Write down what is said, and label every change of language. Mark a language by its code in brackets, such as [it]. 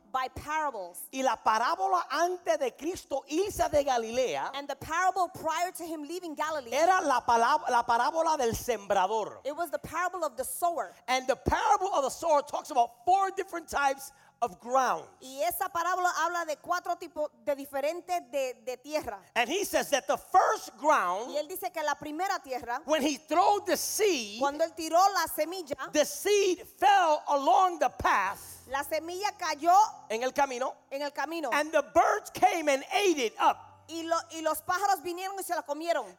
[en] By parables. [es] Y la parábola antes de Cristo irse de Galilea, [en] and the parable prior to him leaving Galilee, [es] era la parábola del sembrador. [en] It was the parable of the sower. And the parable of the sower talks about four different types of grounds. [es] Y esa parábola habla de cuatro tipos de diferentes de tierra. [en] And he says that the first ground, [es] y él dice que la primera tierra, [en] when he threw the seed, [es] cuando él tiró la semilla, [en] the seed fell along the path, [es] la semilla cayó en el camino, en el camino, [en] and the birds came and ate it up. [es] Y los pájaros vinieron y se la comieron.